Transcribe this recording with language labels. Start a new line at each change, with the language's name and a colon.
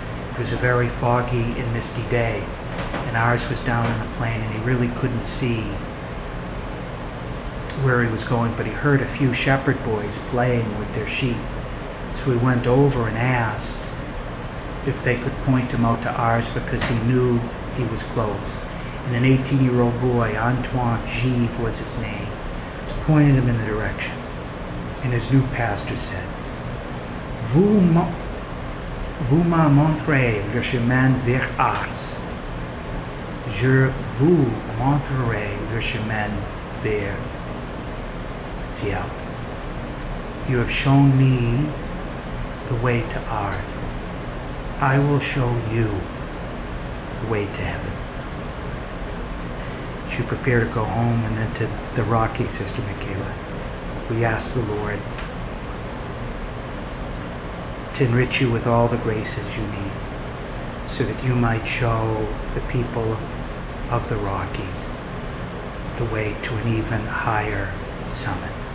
English: It was a very foggy and misty day, and Ars was down in the plain, and he really couldn't see where he was going, but he heard a few shepherd boys playing with their sheep. Israelites, we went over and asked if they could point him out to ours because he knew he was close. And an 18-year-old boy, Antoine Givre was his name, pointed him in the direction. And his new pastor said,
French: Vous m'a montré le chemin vers Ars. Je vous montrerai le chemin vers Ciel.
English: You have shown me the way to Ars. I will show you the way to heaven. She prepared to go home and then to the Rocky, Sister Michaela. We ask the Lord to enrich you with all the graces you need so that you might show the people of the Rockies the way to an even higher summit.